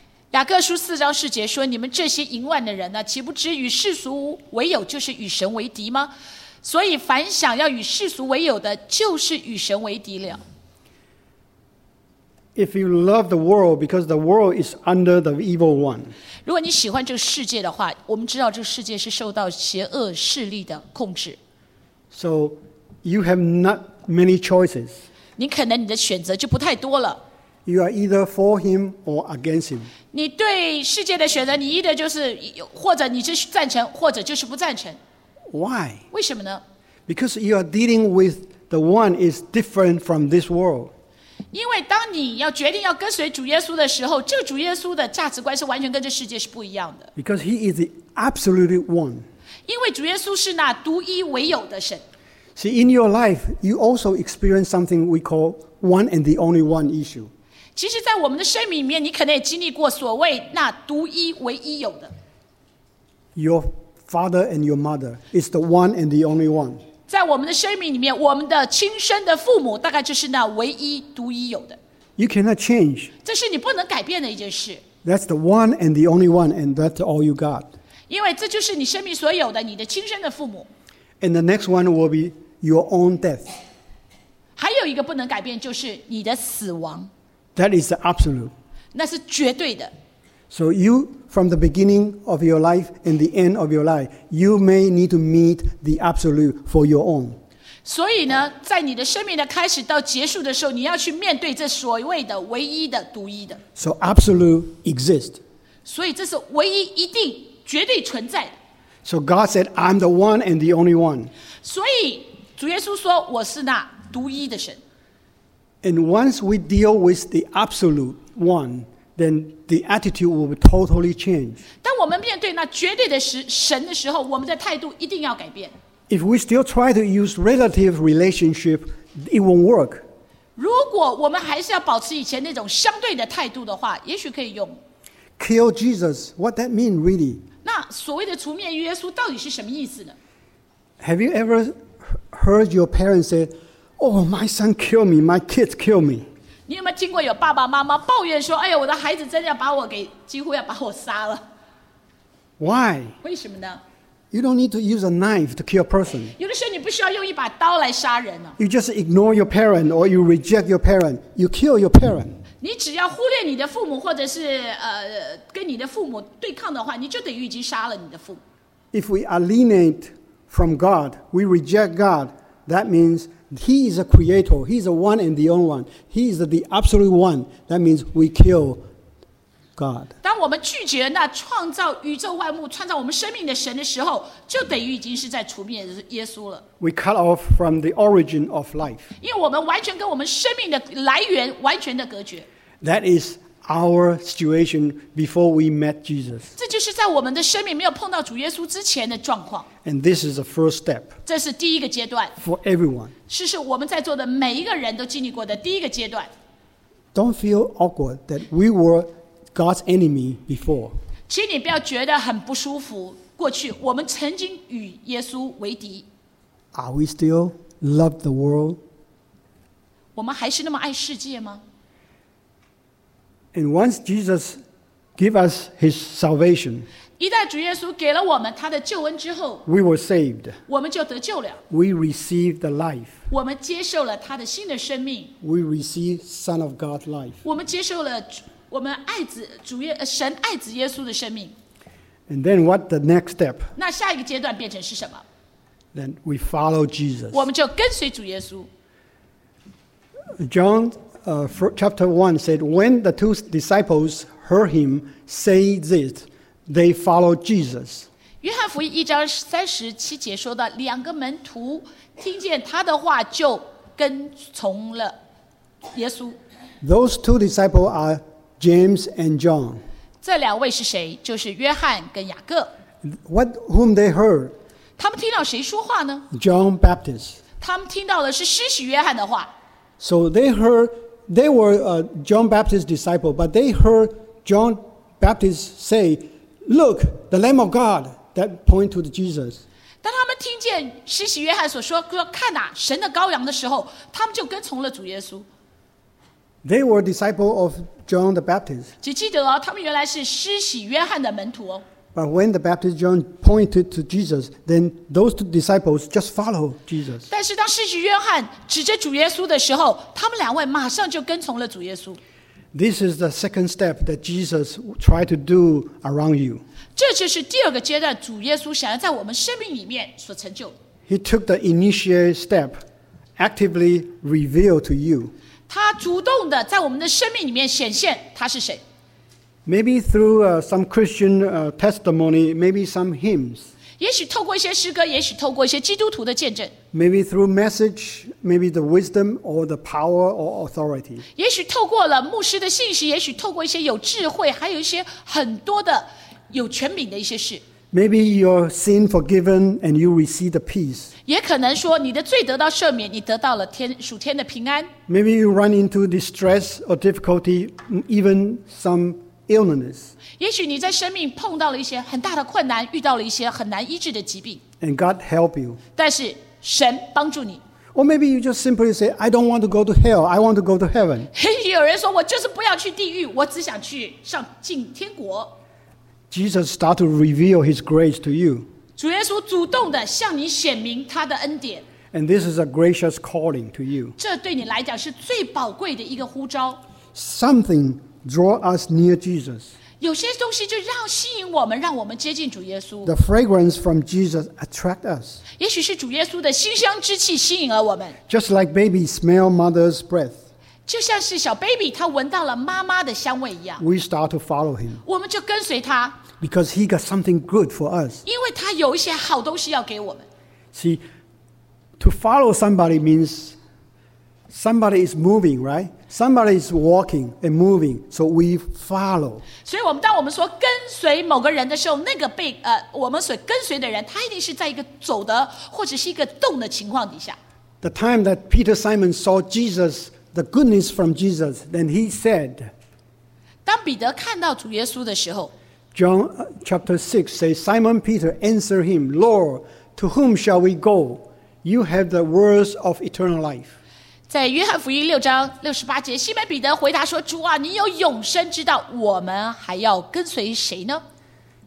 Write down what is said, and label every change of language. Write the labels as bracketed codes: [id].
[zh] 雅各书四章四节说：“你们这些淫乱的人呢，岂不知与世俗为友，就是与神为敌吗？所以凡想要与世俗为友的，就是与神为敌了。” [en] If you love the world, because the world is under the evil one. [zh] 如果你喜欢这个世界的话，我们知道这个世界是受到邪恶势力的控制。 [en] So you have not many choices. [zh] 你可能你的选择就不太多了。 [en] You are either for him or against him. [zh] 你对世界的选择，你 [en] either [zh] 就是或者你是赞成，或者就是不赞成。 [en] Why? [zh] 为什么呢？ [en] Because you are dealing with the one is different from this world. [zh] 因为当你要决定要跟随主耶稣的时候，这个主耶稣的价值观是完全跟这世界是不一样的。 [en] Because he is the absolute one. [zh] 因为主耶稣是那独一唯有的神。 [en] See, in your life, you also experience something we call one and the only one issue. [zh] 其实在我们的生命里面，你可能也经历过所谓那独一唯一有的。 [en] Your father and your mother is the one and the only one. [zh] 在我们的生命里面，我们的亲生的父母大概就是那唯一独一有的。 [en] You cannot change. [zh] 这是你不能改变的一件事。 [en] That's the one and the only one, and that's all you got. [zh] 因为这就是你生命所有的，你的亲生的父母。 [en] And the next one will be your own death. [zh] 还有一个不能改变就是你的死亡。 [en] That is the absolute. [zh] 那是绝对的。 [en] So you, from the beginning of your life and the end of your life, you may need to meet the absolute for your own. [zh] 所以呢，在你的生命的开始到结束的时候，你要去面对这所谓的唯一的、独一的。 [en] So absolute exists. [zh] 所以这是唯一、一定、绝对存在的。 [en] So God said, "I'm the one and the only one." [zh] 所以主耶稣说，我是那独一的神。 [en] And once we deal with the absolute one, then the attitude will be totally changed. [zh] 当我们面对那绝对的神的时候，我们的态度一定要改变。 [en] If we still try to use relative relationship, it won't work. [zh] 如果我们还是要保持以前那种相对的态度的话，也许可以用。 [en] Kill Jesus, what that mean really? [zh] 那所谓的除灭耶稣到底是什么意思呢？ [en] Have you ever heard your parents say,Oh, my son killed me. My kids killed me. [zh] 你有没有听过有爸爸妈妈抱怨说，哎呀，我的孩子真的要把我给，几乎要把我杀了。 [en] Why? [zh] 为什么呢？ [en] You don't need to use a knife to kill a person. [zh] 有的时候你不需要用一把刀来杀人啊。 [en] You just ignore your parent or you reject your parent. You kill your parent. [zh] 你只要忽略你的父母或者是跟你的父母对抗的话，你就等于已经杀了你的父母。 [en] If we alienate from God, we reject God, that means... He is a creator. He is the one and the only one. He is the absolute one. That means we kill God. [zh] 当我们拒绝那创造宇宙万物、创造我们生命的神的时候，就等于已经是在除灭耶稣了。 [en] We cut off from the origin of life. [zh] 因为我们完全跟我们生命的来源完全的隔绝。 [en] That is our situation before we met Jesus. [zh] 这就是在我们的生命没有碰到主耶稣之前的状况。 [en] And this is the first step. [zh] 这是第一个阶段。 [en] For everyone. [zh] 是我们在座的每一个人都经历过的第一个阶段。 [en] Don't feel awkward that we were God's enemy before. [zh] 请你不要觉得很不舒服。过去我们曾经与耶稣为敌。 [en] Are we still love the world? [zh] 我们还是那么爱世界吗？ [en] And once Jesus gave us his salvation, [zh] 一旦主耶稣给了我们他的救恩之后 [en] We were saved. [zh] 我们就得救了 [en] We received the life. [zh] 我们接受了他的新的生命 [en] We received Son of God life. [zh] 我们接受了我们爱子主耶神爱子耶稣的生命 [en] And then what the next step? [zh] 那下一个阶段变成是什么 [en] Then we follow Jesus. [zh] 我们就跟随主耶稣 [en] John chapter 1 said, When the two disciples heard him say this,They followed Jesus. [zh] 约翰福音一章三十七节说到，两个门徒听见他的话就跟从了耶稣。 [en] Those two disciples are James and John. [zh] 这两位是谁？就是约翰跟雅各。 [en] What whom they heard? [zh] 他们听到谁说话呢 [en] ？John Baptist. [zh] 他们听到的是施洗约翰的话。 [en] So they heard they were John Baptist's disciple, but they heard John Baptist say, "Look, the Lamb of God that point to Jesus." [zh] 当他们听见施洗约翰所说说看哪、啊、神的羔羊的时候，他们就跟从了主耶稣。 [en] They were disciple of John the Baptist. [zh] 只记得哦，他们原来是施洗约翰的门徒哦。 [en] But when the Baptist John pointed to Jesus, then those two disciples just follow Jesus. [zh] 但是当施洗约翰指着主耶稣的时候，他们两位马上就跟从了主耶稣。 [en] This is the second step that Jesus tried to do around you. [zh] 这就是第二个阶段，主耶稣想要在我们生命里面所成就。 [en] He took the initial step, actively revealed to you. [zh] 他主动的在我们的生命里面显现他是谁。 [en] Maybe through some Christian testimony, maybe some hymns. [zh] 也许透过一些诗歌，也许透过一些基督徒的见证。 [en] Maybe through message, maybe the wisdom or the power or authority. [zh] 也许透过了牧师的信息，也许透过一些有智慧，还有一些很多的有权柄的一些事。 [en] Maybe your sin forgiven and you receive the peace. [zh] 也可能说你的罪得到赦免，你得到了天属天的平安。 [en] Maybe you run into distress or difficulty, even some. Illness. [zh] 也许你在生命碰到了一些很大的困难，遇到了一些很难医治的疾病。 [en] And God help you. [zh] 但是神帮助你。 [en] Or maybe you just simply say, "I don't want to go to hell. I want to go to heaven." [zh] 也许有人说，我就是不要去地狱，我只想去上进天国。 [en] Jesus start to reveal His grace to you. [zh] 主耶稣主动的向你显明他的恩典。 [en] And this is a gracious calling to you. [zh] 这对你来讲是最宝贵的一个呼召。 [en] Something. Draw us near Jesus. [zh] 有些东西就让吸引我们，让我们接近主耶稣。 [en] The fragrance from Jesus attract us. [zh] 也许是主耶稣的馨香之气吸引了我们。 [en] Just like baby smell mother's breath. [zh] 就像是小 [en] baby [zh] 他闻到了妈妈的香味一样。 [en] We start to follow him. [zh] 我们就跟随他。 [en] Because he got something good for us. [zh] 因为他有一些好东西要给我们。 [en] See, to follow somebody means somebody is moving, right? Somebody is walking and moving, so we follow. [zh] 所以我们当我们说跟随某个人的时候，那个被我们所跟随的人，他一定是在一个走的或者是一个动的情况底下。 [en] The time that Peter Simon saw Jesus, the goodness from Jesus, then he said. [zh] 当彼得看到主耶稣的时候 [en] ，John chapter 6 says, Simon Peter answered him, Lord, to whom shall we go? You have the words of eternal life. [zh] 在约翰福音六章六十八节，西门彼得回答说：“主啊，你有永生之道，我们还要跟随谁呢？”